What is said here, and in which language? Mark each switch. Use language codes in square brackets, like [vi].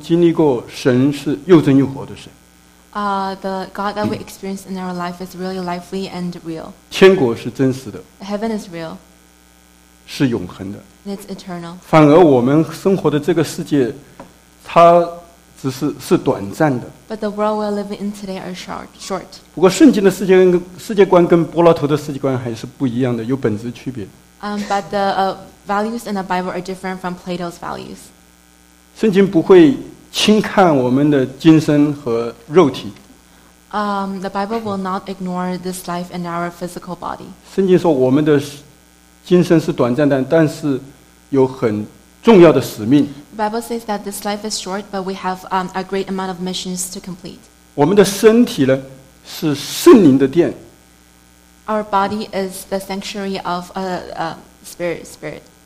[zh] 我们的生活中经历过神是又真又活的神。 [en] The God that we experience in our life is really lively and real. [zh] 天国是真实的。 [en] Heaven is real. [zh] 是永恒的。 [en] And it's eternal. [zh] 反而我们生活的这个世界。它只是短暂的 [en] But the world we're living in today are short [zh] 不过圣经的世界观跟柏拉图的世界观还是不一样的 有本质区别 [en] But the values in the Bible are different from Plato's values [zh] 圣经不会轻看我们的今生和肉体 [en] The Bible will not ignore this life and our physical body [zh] 圣经说我们的今生是短暂的 但是有很重要的使命 [en] The Bible says that this life is short, but we have a great amount of missions to complete. [zh] 我们的身体呢，是圣灵的殿。 [en] Our body is the sanctuary of a spirit.